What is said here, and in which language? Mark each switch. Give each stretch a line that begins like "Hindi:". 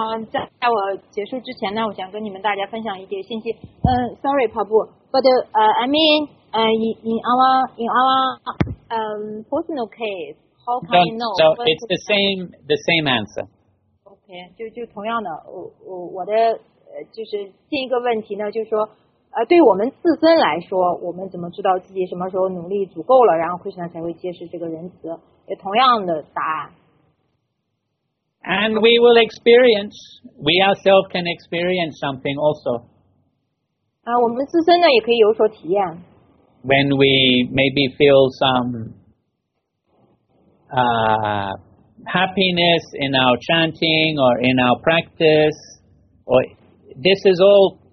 Chinese: 在我结束之前呢，我想跟你们大家分享一点信息。
English: Sorry, Prabhu, but I mean, in our personal case, how can you know? So it's the same answer.
Chinese: Okay, 就同样的，我的就是进一个问题呢，就是说。对我们自身来说，我们怎么知道自己什么时候努力足够了，然后Krishna才会揭示这个仁慈？也同样的答案。
English: And we will experience, we ourselves can experience something also.
Chinese: 我们自身呢也可以有所体验。
English: When we maybe feel some happiness in our chanting or in our practice, or this is all.